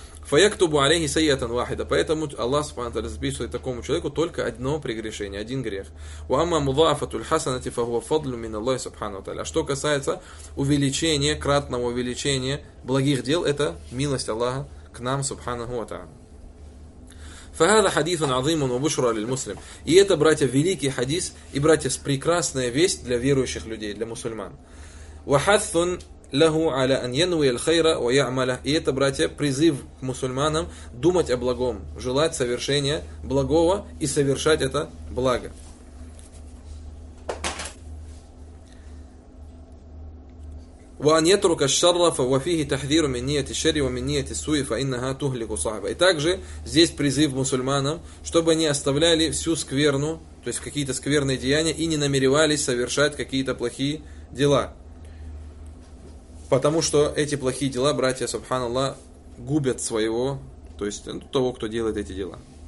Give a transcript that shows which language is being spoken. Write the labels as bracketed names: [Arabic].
[Arabic] فَيَكْتُبُ عَلَيْهِ سَيِّئَةً وَاحِدَةً. [Russian] Поэтому Аллах субхана тааля записывает такому человеку только одно прегрешение, один грех. [Arabic] وَأَمَّا مُضَاعَفَةُ الْحَسَنَةِ فَهُوَ فَضْلٌ مِنَ اللَّهِ سُبْحَانَهُ وَتَعَالَى. [Russian] А что касается увеличения, кратного увеличения благих дел, это милость Аллаха к нам, субханаху ва тааля. [Arabic] فهذا حديث عظيم وبشرى للمسلم. [Russian] И это, братья, великий хадис, и, братья, прекрасная весть для верующих людей, для мусульман. [Arabic] وحث له على أن ينوي الخير ويعمله. [Russian] И это, братья, призыв к мусульманам думать о благом, желать совершения благого и совершать это благо. [Arabic] وأن يترك الشر وفيه تحذير من نية الشر ومن نية السوء فإنها تهلك صاحبه. [Russian] И также здесь призыв мусульманам, чтобы они оставляли всю скверну, то есть какие-то скверные деяния, и не намеревались совершать какие-то плохие дела. Потому что эти плохие дела, братья, субханаллах, губят своего, то есть того, кто делает эти дела.